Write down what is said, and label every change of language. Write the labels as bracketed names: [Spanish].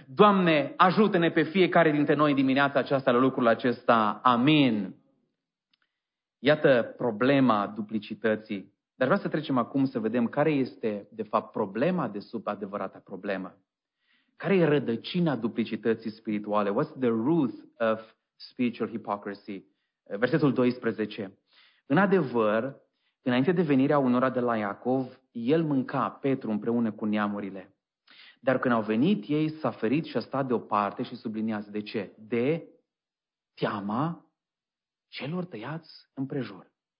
[Romanian] Doamne, ajută-ne pe fiecare dintre noi dimineața aceasta la lucrul acesta. Amin. Iată problema duplicității. Dar vreau să trecem acum să vedem care este, de fapt, problema de sub adevărata problemă. Care e rădăcina duplicității spirituale? [English] What's the root of spiritual hypocrisy? [Romanian] Versetul 12. În adevăr, înainte de venirea unora de la Iacov, el mânca Petru împreună cu neamurile. Dar când au venit, ei s-a ferit și a stat deoparte și subliniază. De ce? De teama celor tăiați împrejur.